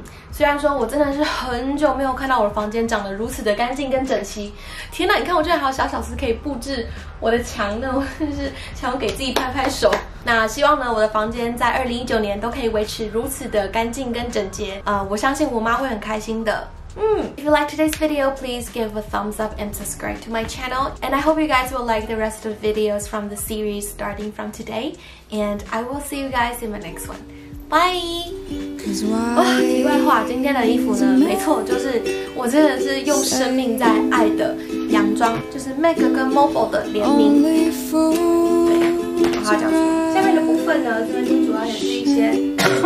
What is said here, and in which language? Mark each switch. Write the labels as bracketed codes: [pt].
[zh] 虽然说我真的是很久没有看到我的房间长得如此的干净跟整齐，天哪，你看我居然还有小小丝可以布置我的墙呢，我真是想要给自己拍拍手。那希望呢我的房间在2019年都可以维持如此的干净跟整洁，我相信我妈会很开心的。 [en] If you like today's video, please give a thumbs up and subscribe to my channel. And I hope you guys will like the rest of the videos from the series starting from today. And I will see you guys in my next one. Bye! [zh] 哇，题外话，今天的衣服呢，没错，就是我真的是用生命在爱的洋装，就是 MAC 跟 MOBO 的联名。对，好好讲。下面的部分呢，这边就主要也是一些。